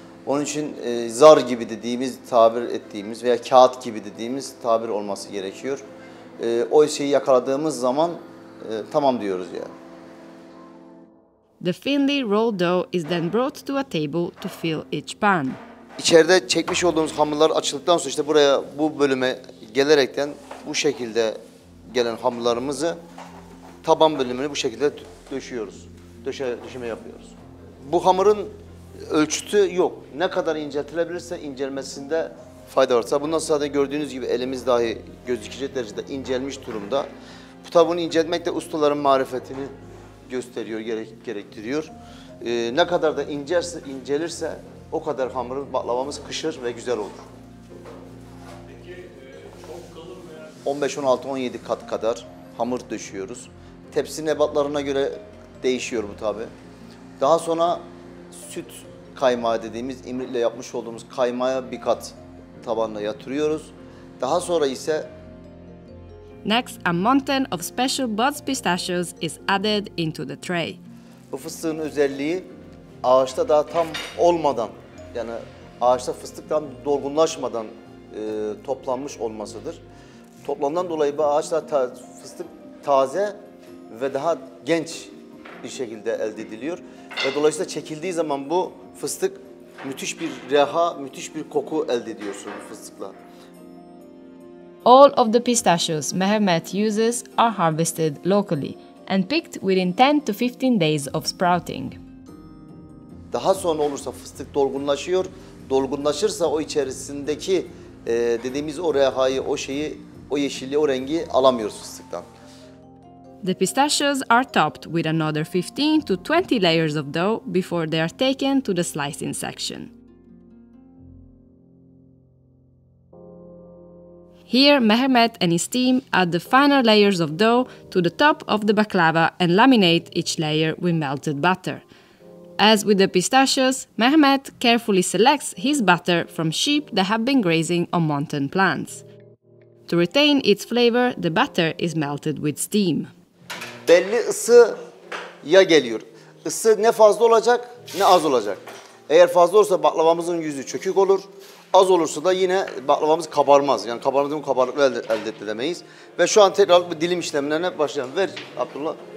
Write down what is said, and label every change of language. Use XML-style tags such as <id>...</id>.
<tr>Onun için zar gibi dediğimiz, tabir ettiğimiz veya kağıt gibi dediğimiz tabir olması gerekiyor. O şeyi yakaladığımız zaman tamam diyoruz yani.</tr> <en>The thinly rolled dough is then brought to a table to fill each pan.</en> <tr>İçeride çekmiş olduğumuz hamurlar açıldıktan sonra işte buraya bu bölüme gelerekten bu şekilde gelen hamurlarımızı taban bölümünü bu şekilde döşüyoruz. Döşeme yapıyoruz. Bu hamurun ölçütü yok. Ne kadar inceltilebilirse incelmesinde fayda varsa bundan sonra da gördüğünüz gibi elimiz dahi gözükecek derecede incelmiş durumda. Bu tabunu inceltmek de ustaların marifetini gösteriyor, gerektiriyor. Ne kadar da incelirse o kadar hamurun baklavamız kışır ve güzel olur. Peki çok kalın mı yani? 15, 16, 17 kat kadar hamur döşüyoruz. Tepsi nebatlarına göre değişiyor bu tabi. Daha sonra süt kaymağı dediğimiz imritle yapmış olduğumuz kaymağı bir kat tabanına yatırıyoruz. Daha sonra ise</tr> <en>next, a mountain of special buds pistachios is added into the tray.</en> <tr>Bu fıstığın özelliği ağaçta daha tam olmadan, yani ağaçta fıstık tam dolgunlaşmadan toplanmış olmasıdır. Toplamdan dolayı bu ağaçta fıstık taze ve daha genç bir şekilde elde ediliyor. Ve dolayısıyla çekildiği zaman bu fıstık müthiş bir reha, müthiş bir koku elde ediyorsun bu fıstıkla.</tr> <en>All of the pistachios Mehmet uses are harvested locally and picked within 10 to 15 days of sprouting.</en> <tr>Daha sonra olursa fıstık dolgunlaşıyor. Dolgunlaşırsa o içerisindeki dediğimiz o rehayı, o şeyi, o yeşilliği, o rengi alamıyoruz fıstıktan.</tr> <en>The pistachios are topped with another 15 to 20 layers of dough before they are taken to the slicing section. Here, Mehmet and his team add the final layers of dough to the top of the baklava and laminate each layer with melted butter. As with the pistachios, Mehmet carefully selects his butter from sheep that have been grazing on mountain plants. To retain its flavor, the butter is melted with steam.</en> <tr>Belli ısı ya geliyor. Isı ne fazla olacak, ne az olacak. Eğer fazla olursa baklavamızın yüzü çökük olur. Az olursa da yine baklavamız kabarmaz. Yani kabarmadığı mı kabarlıkla elde edemeyiz. Ve şu an tekrar bu dilim işlemlerine başlayalım. Ver Abdullah.</tr>